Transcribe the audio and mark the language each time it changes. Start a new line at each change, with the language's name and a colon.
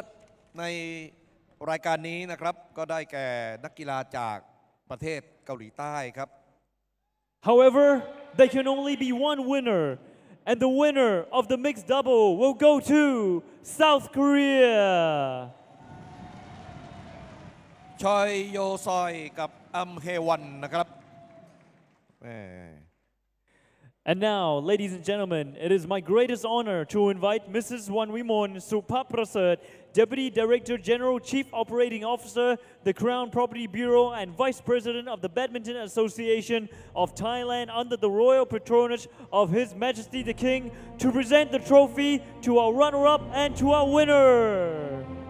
Thai: ครับส่วนผู้ชนะเลิศในรายการนี้นะครับ ก็ได้แก่นักกีฬาจากประเทศเกาหลีใต้ครับ
English: However, there can only be one winner, and the winner of the mixed double will go to South Korea.
Thai: Choi Yo-soi กับ Am Hae-won นะครับ
English: And now, ladies and gentlemen, it is my greatest honor to invite Mrs. Wan Wimon Supaprasert, Deputy Director General, Chief Operating Officer, the Crown Property Bureau, and Vice President of the Badminton Association of Thailand under the royal patronage of His Majesty the King, to present the trophy to our runner-up and to our winner.